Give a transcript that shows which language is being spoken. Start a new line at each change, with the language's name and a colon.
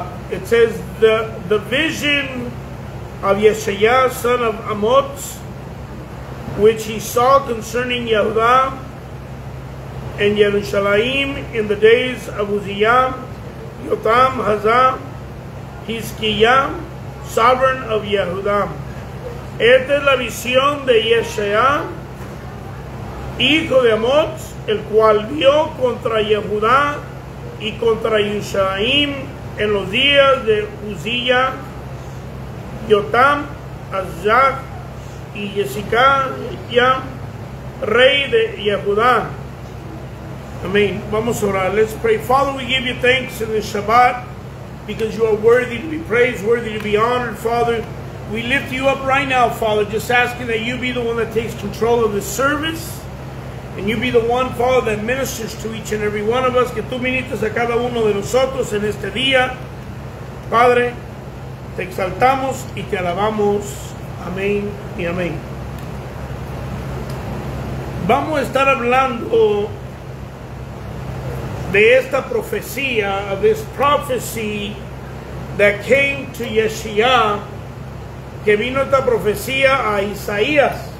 English: It says the vision of Yeshayah, son of Amoz, which he saw concerning Yehudah and Yerushalayim in the days of Uzziah, Yotam, Hazah, Hizkiyah, sovereign of Yehudah.
Spanish: Esta es la visión de Yeshayah, hijo de Amoz, el cual vio contra Yehudah y contra Yerushalayim en los días de Uzziah, Yotam, Azaj y Hezekiah, rey de Yehudá. Amén. Vamos a orar.
English: Let's pray. Father, we give you thanks in this Shabbat because you are worthy to be praised, worthy to be honored, Father. We lift you up right now, Father, just asking that you be the one that takes control of this service. And you be the one, Father, that ministers to each and every one of us.
Spanish: Que tú ministres a cada uno de nosotros en este día. Padre, te exaltamos y te alabamos. Amén y amén. Vamos a estar hablando de esta profecía,
English: of this prophecy that came to Yeshayah,
Spanish: que vino esta profecía a Isaías.